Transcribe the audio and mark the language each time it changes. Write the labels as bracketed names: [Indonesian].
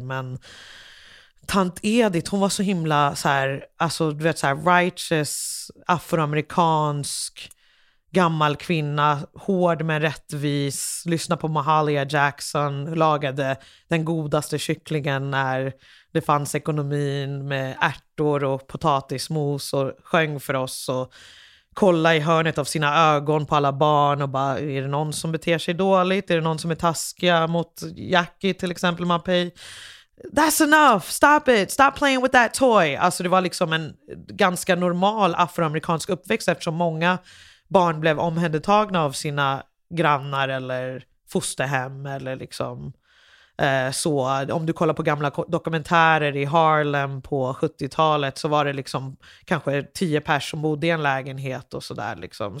[Swedish] Men tant Edith, hon var så himla så här, alltså du vet så här, righteous, afroamerikansk, gammal kvinna, hård men rättvis, lyssnade på Mahalia Jackson, lagade den godaste kycklingen när det fanns ekonomin med ärtor och potatismos och sjöng för oss och kollade i hörnet av sina ögon på alla barn och bara, är det någon som beter sig dåligt? Är det någon som är taskiga mot Jackie till exempel, Mapei? [English] That's enough, stop it, stop playing with that toy. [Swedish] Alltså det var liksom en ganska normal afroamerikansk uppväxt eftersom många barn blev omhändertagna av sina grannar eller fosterhem eller liksom så. Om du kollar på gamla dokumentärer i Harlem på 70-talet så var det liksom kanske 10 pers som bodde i en lägenhet och sådär liksom.